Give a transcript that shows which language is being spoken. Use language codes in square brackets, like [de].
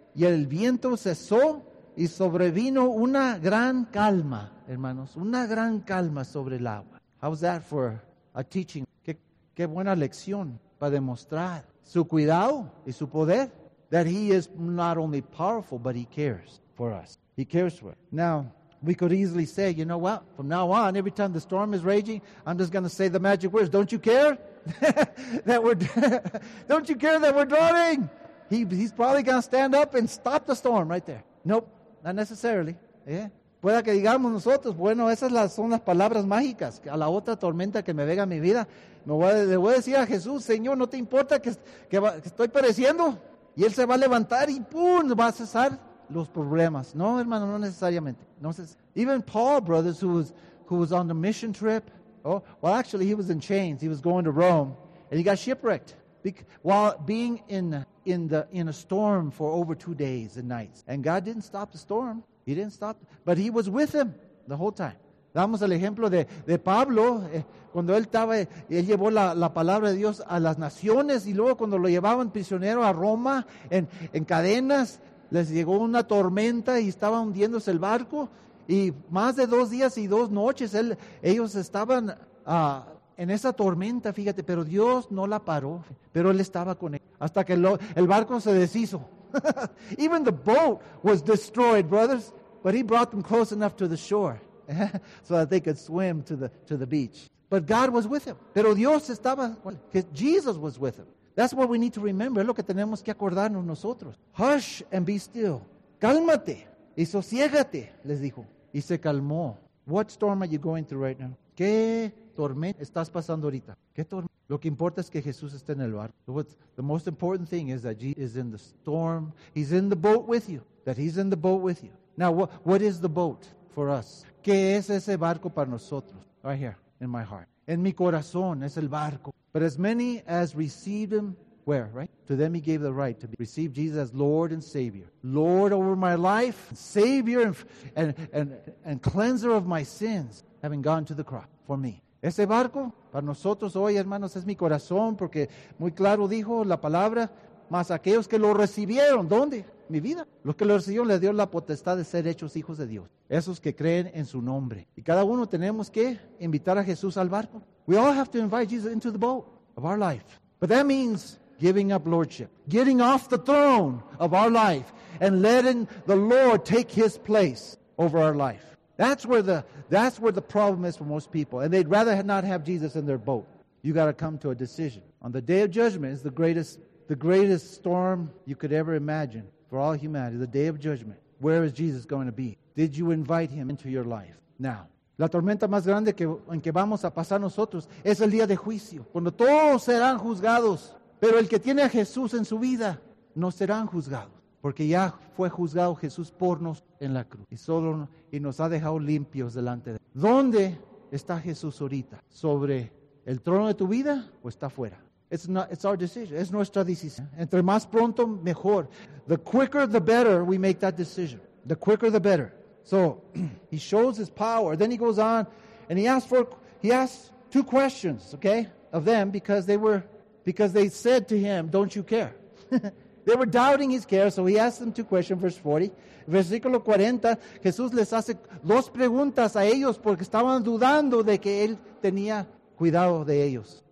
[es] Y el viento cesó y sobrevino una gran calma, hermanos, una gran calma sobre el agua. [en] How's that for a teaching? [es] Qué buena lección para demostrar su cuidado y su poder. [en] That he is not only powerful, but he cares for us. He cares for us. Now, we could easily say, you know what? From now on, every time the storm is raging, I'm just going to say the magic words. Don't you care that we're don't you care that we're drowning? He's probably going to stand up and stop the storm right there. Nope, not necessarily. Yeah. [es] Pueda que digamos nosotros, bueno, esas son las palabras mágicas. A la otra tormenta que me venga a mi vida, le voy a decir a Jesús, Señor, ¿no te importa que estoy pereciendo? Y Él se va a levantar y ¡pum! Va a cesar los problemas. No, hermano, no necesariamente. Entonces, [en] even Paul, brothers, who was on the mission trip, actually, he was in chains. He was going to Rome. And he got shipwrecked while being in a storm for over 2 days and nights. And God didn't stop the storm. He didn't stop, but he was with him the whole time. [es] Damos el ejemplo de Pablo, cuando él llevó la palabra de Dios a las naciones y luego cuando lo llevaban prisionero a Roma en cadenas, les llegó una tormenta y estaba hundiéndose el barco y más de 2 días y 2 noches ellos estaban en esa tormenta, fíjate, pero Dios no la paró, pero él estaba con él hasta que el barco se deshizo. [en] Even the boat was destroyed, brothers, but he brought them close enough to the shore so that they could swim to the beach. But God was with him. [es] Pero Dios estaba, [en] Jesus was with him. That's what we need to remember. [es] Es lo que tenemos que acordarnos nosotros. [en] Hush and be still. [es] Cálmate y sosiégate, les dijo. Y se calmó. [en] What storm are you going through right now? [es] ¿Qué tormenta estás pasando ahorita? [en] Ok, [es] Lo que importa es que Jesús esté en el barco. [en] The most important thing is that Jesus is in the storm. He's in the boat with you. That he's in the boat with you. Now, what is the boat for us? [es] ¿Qué es ese barco para nosotros? [en] Right here, in my heart. [es] En mi corazón es el barco. [en] But as many as received him, where, right? To them he gave the right to receive Jesus as Lord and Savior. Lord over my life, Savior and cleanser of my sins, having gone to the cross for me. [es] Ese barco para nosotros hoy, hermanos, es mi corazón, porque muy claro dijo la palabra, mas aquellos que lo recibieron, ¿dónde? Mi vida. Los que lo recibieron les dio la potestad de ser hechos hijos de Dios. Esos que creen en su nombre. Y cada uno tenemos que invitar a Jesús al barco. [en] We all have to invite Jesus into the boat of our life. But that means giving up lordship, getting off the throne of our life and letting the Lord take his place over our life. That's where the problem is for most people. And they'd rather not have Jesus in their boat. You got to come to a decision. On the day of judgment is the greatest storm you could ever imagine for all humanity. The day of judgment. Where is Jesus going to be? Did you invite him into your life now? [es] La tormenta más grande en que vamos a pasar nosotros es el día de juicio. Cuando todos serán juzgados. Pero el que tiene a Jesús en su vida no serán juzgados. Porque ya fue juzgado Jesús por nos en la cruz. Y nos ha dejado limpios delante de él. ¿Dónde está Jesús ahorita? ¿Sobre el trono de tu vida o está afuera? [en] It's our decision. [es] Es nuestra decisión. Entre más pronto, mejor. [en] The quicker, the better we make that decision. The quicker, the better. So, he shows his power. Then he goes on and he asks two questions, okay, of them because they said to him, don't you care? They were doubting his care, so he asked them two questions, verse 40. [es] Versículo 40, Jesús les hace dos preguntas a ellos porque estaban dudando de que él tenía cuidado de ellos.